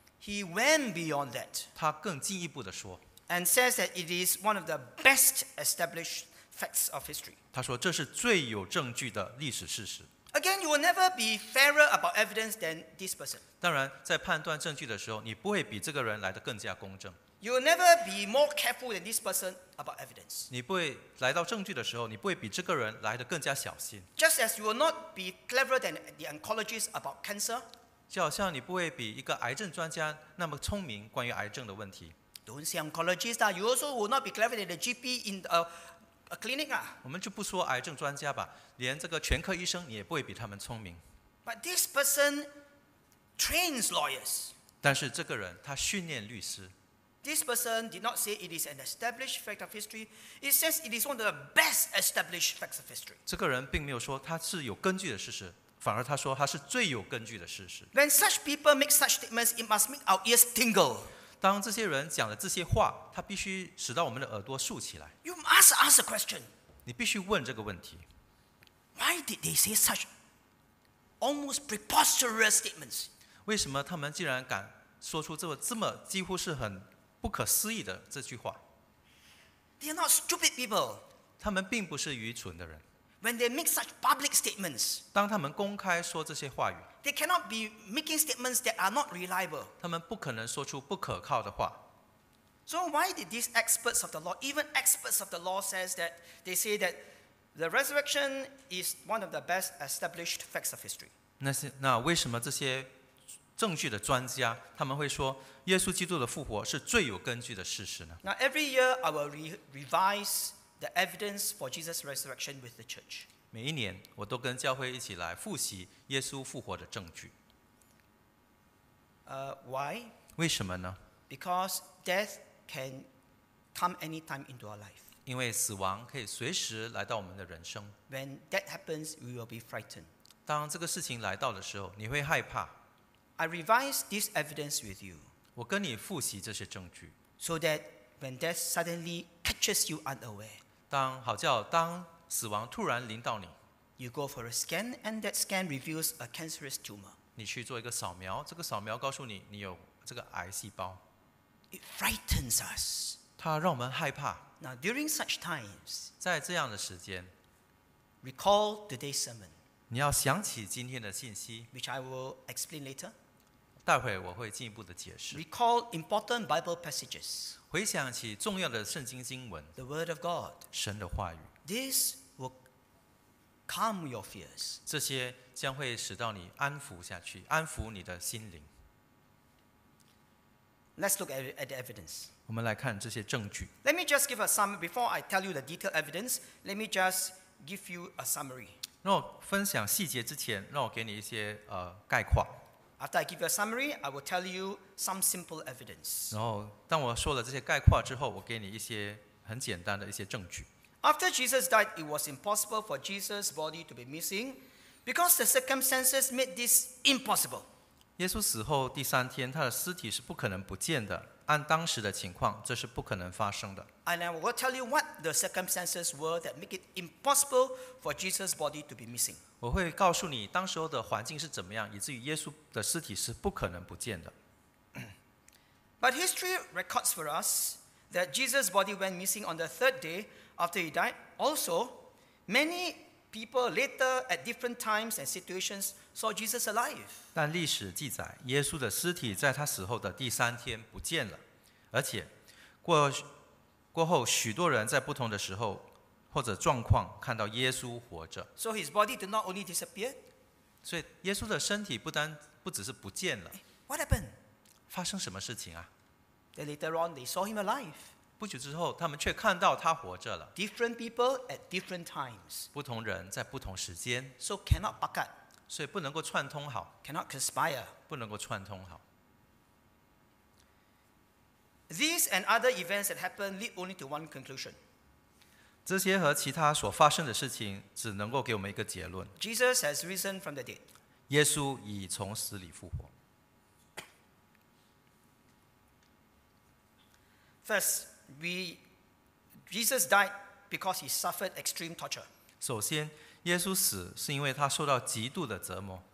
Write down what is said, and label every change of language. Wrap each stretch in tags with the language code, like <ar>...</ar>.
<en>He went beyond that.</en> <zh>他更进一步的说。</zh> <en>And says that it is one of the best established facts of history.</en> <zh>他说这是最有证据的历史事实。</zh> <en>Again, you will never be fairer about evidence than this person.</en> <zh>当然，在判断证据的时候，你不会比这个人来得更加公正。</zh> <en>You will never be more careful than this person about evidence.</en> <zh>你不会来到证据的时候，你不会比这个人来得更加小心。</zh> <en>Just as you will not be cleverer than the oncologist about cancer.</en> <zh>就好像你不会比一个癌症专家那么聪明关于癌症的问题。</zh> <en>Don't say oncologist, you also will not be cleverer than the GP in a clinic.</en> <zh>我们就不说癌症专家吧，连这个全科医生你也不会比他们聪明。</zh> <en>But this person trains lawyers.</en> <zh>但是这个人他训练律师。</zh> <en>This person did not say it is an established fact of history. It says it is one of the best established facts of history.</en> <zh>这个人并没有说他是有根据的事实，反而他说他是最有根据的事实。</zh> <en>When such people make such statements, it must make our ears tingle.</en> <zh>当这些人讲了这些话，他必须使到我们的耳朵竖起来。</zh> <en>You must ask a question.</en> <zh>你必须问这个问题。</zh> <en>Why did they say such almost preposterous statements?</en> <zh>为什么他们竟然敢说出这么几乎是很不可思议的这句话。</zh> <en>They are not stupid people.</en> <zh>他们并不是愚蠢的人。</zh> <en>When they make such public statements,</en> <zh>当他们公开说这些话语，</zh> <en>they cannot be making statements that are not reliable.</en> <zh>他们不可能说出不可靠的话。</zh> <en>So why did these experts of the law, even experts of the law says that they say that the resurrection is one of the best established facts of history?</en> <zh>那为什么这些证据的专家他们会说耶稣基督的复活是最有根据的事实呢？</zh> <en>Now every year I will revise the evidence for Jesus' resurrection with the church.</en> <zh>每一年我都跟教会一起来复习耶稣复活的证据。</zh> <en>Why?</en> <zh>为什么呢？</zh> <en>Because death can come anytime into our life.</en> <zh>因为死亡可以随时来到我们的人生。</zh> <en>When that happens, we will be frightened.</en> <zh>当这个事情来到的时候，你会害怕。</zh> <en>I revise this evidence with you.</en> <zh>我跟你复习这些证据。</zh> <en>So that when death suddenly catches you unaware.</en> <zh>当死亡突然临到你。</zh> <en>You go for a scan and that scan reveals a cancerous tumor.</en> <zh>你去做一个扫描，这个扫描告诉你你有这个癌细胞。</zh> <en>It frightens us.</en> <zh>它让我们害怕。</zh> <en>Now during such times.</en> <zh>在这样的时间。</zh> <en>Recall today's sermon.</en> <zh>你要想起今天的信息。</zh> <en>Which I will explain later.</en> <zh>待会我会进一步的解释。</zh> <en>Recall important Bible passages.</en> <zh>回想起重要的圣经经文。</zh> <en>The word of God.</en> <zh>神的话语。</zh> <en>This will calm your fears.</en> <zh>这些将会使到你安抚下去，安抚你的心灵。</zh> <en>Let's look at the evidence.</en> <zh>我们来看这些证据。</zh> <en>Let me just give a summary. Before I tell you the detailed evidence, let me just give you a summary.</en> <zh>让我分享细节之前，让我给你一些概况。</zh> <en>After I give you a summary, I will tell you some simple evidence.</en> <zh>然后，当我说了这些概括之后，我给你一些很简单的一些证据。</zh> <en>After Jesus died, it was impossible for Jesus' body to be missing because the circumstances made this impossible.</en> <zh>耶稣死后第三天，他的尸体是不可能不见的。按当时的情况，这是不可能发生的。</zh> <en>And I will tell you what the circumstances were that make it impossible for Jesus' body to be missing.</en> <zh>我会告诉你当时候的环境是怎么样，以至于耶稣的尸体是不可能不见的。</zh> <en>But history records for us that Jesus' body went missing on the third day after he died. Also, many people later at different times and situations saw Jesus alive.</en> <zh>但历史记载，耶稣的尸体在他死后的第三天不见了，而且过后许多人在不同的时候或者状况看到耶稣活着。</zh> <en>So his body did not only disappear.</en> <zh>所以耶稣的身体不只是不见了。</zh> <en>What happened?</en> <zh>发生什么事情啊？</zh> <en>Then later on, they saw him alive.</en> <zh>不久之后，他们却看到他活着了。</zh> <en>Different people at different times.</en> <zh>不同人在不同时间。</zh> <en>So cannot back up.</en> <zh>所以不能够串通好。</zh> <en>Cannot conspire.</en> <zh>不能够串通好。</zh> <en>These and other events that happen lead only to one conclusion.</en> <zh>这些和其他所发生的事情只能够给我们一个结论。</zh> <en>Jesus has risen from the dead.</en> <zh>耶稣已从死里复活。</zh> <en>First, Jesus died because he suffered extreme torture.</en> <zh>首先，耶稣死是因为他受到极度的折磨。</zh>